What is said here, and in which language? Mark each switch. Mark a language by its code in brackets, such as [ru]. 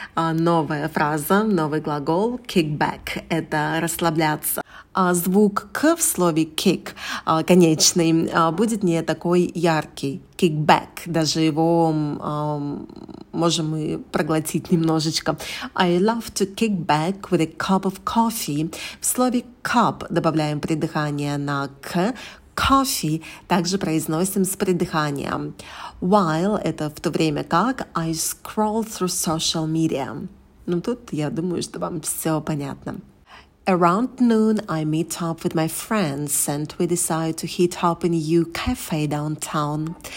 [ru] Новая фраза, новый глагол. Kick back – это расслабляться. Звук «к» в слове «kick» конечный будет не такой яркий. [en] Kick back. [ru] Даже его можем и проглотить немножечко. [en] I love to kick back with a cup of coffee. [ru] В слове cup добавляем придыхание на «к». Coffee также произносим с придыханием. [en] While – [ru] это в то время как [en] I scroll through social media. [ru] Ну, тут я думаю, что вам все понятно. [en] Around noon, I meet up with my friends and we decide to hit up a new cafe downtown.